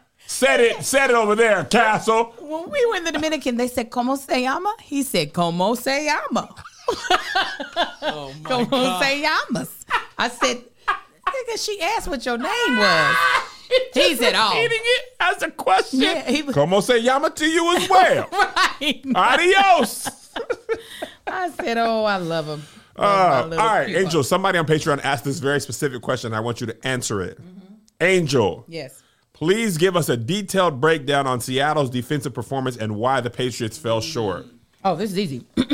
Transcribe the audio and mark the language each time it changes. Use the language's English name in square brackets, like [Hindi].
[English] Set it over there, castle. When we went to the Dominican, they said, [Spanish] ¿Cómo se llama? [English] He said, ¿Cómo se llama? Oh, my God. [Spanish] ¿Cómo se llamas? [English] I said, nigga, she asked what your name was. He said, oh. Repeating it as a question. Yeah, [Spanish] ¿Cómo se llama [English] to you as well? Right. [Spanish] Adios. [English] I said, oh, I love him. All right, Angel, somebody on Patreon asked this very specific question. I want you to answer it. Mm-hmm. Angel. Yes. Please give us a detailed breakdown on Seattle's defensive performance and why the Patriots fell short. Oh, this is easy.